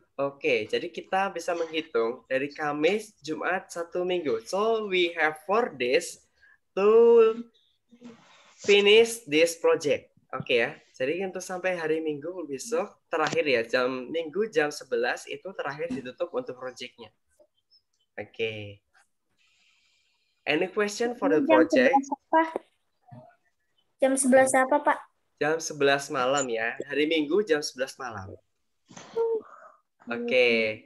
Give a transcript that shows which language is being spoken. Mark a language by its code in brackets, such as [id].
[id] Oke, okay, jadi kita bisa menghitung dari Kamis, Jumat, satu minggu. [en] So, we have 4 days to finish this project. [id] Oke okay, ya, jadi untuk sampai hari Minggu besok, terakhir ya, jam Minggu jam 11 itu terakhir ditutup untuk projectnya. [en] Oke. Okay. Any question for the project? [id] Jam 11 apa, Pak? Jam 11 malam ya. Hari Minggu jam 11 malam. Oke. Okay.